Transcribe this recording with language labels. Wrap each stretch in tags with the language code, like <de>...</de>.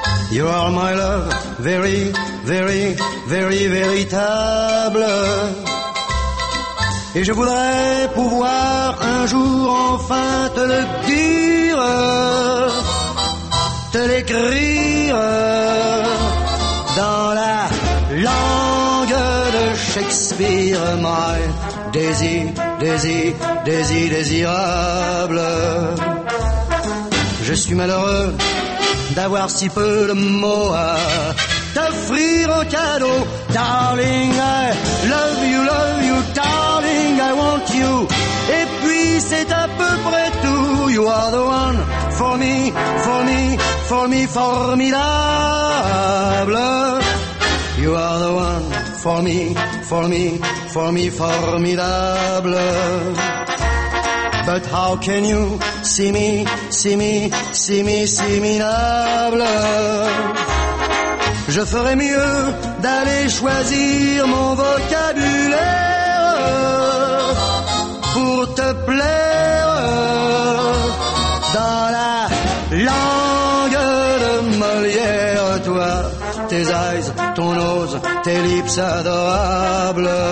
<en>You are my love, very, very, very véritable.</en> <fr>Et je voudrais pouvoir un jour enfin te le dire, te l'écrire dans la langue de Shakespeare, my Daisy, Daisy, Daisy désirable. Je suis malheureux d'avoir si peu de mots à t'offrir en cadeau.</fr> <en>Darling, I love you, darling, I want you.</en> <fr>Et puis c'est à peu près tout.</fr> <en>You are the one for me, for me, for me formidable. You are the one for me, for me, for me formidable. But how can you see me, see me, see me, see me noble?</en> <fr>Je ferais mieux d'aller choisir mon vocabulaire pour te plaire dans la langue de Molière. Toi, tes</fr> <en>eyes,</en> <fr>ton</fr> <en>nose,</en> <fr>tes</fr> <en>lips</en> <fr>adorables.</fr>